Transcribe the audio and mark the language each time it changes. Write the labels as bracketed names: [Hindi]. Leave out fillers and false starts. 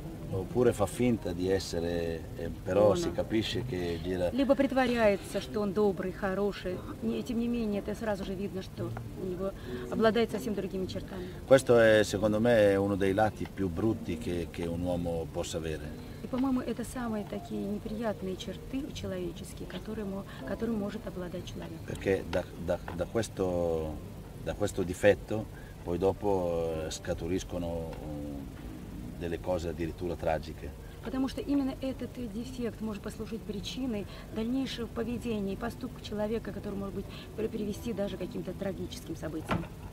[Italian] Oppure fa finta di essere, però no. Si capisce che dire. [Russian] Либо притворяется, что он добрый, хороший, и тем не менее это сразу же видно, что у него обладает совсем другими чертами. [Italian] Questo è, secondo me, uno dei lati più brutti che un uomo possa avere. [Russian] И, по-моему, это самые такие неприятные черты человеческие, которым может обладать человек. [Italian] Perché da questo. Da questo difetto poi dopo scaturiscono delle cose addirittura tragiche. [Russian] Потому что именно этот дефект может послужить причиной дальнейшего поведения и поступка человека, который может быть привести даже к каким-то трагическим событиям.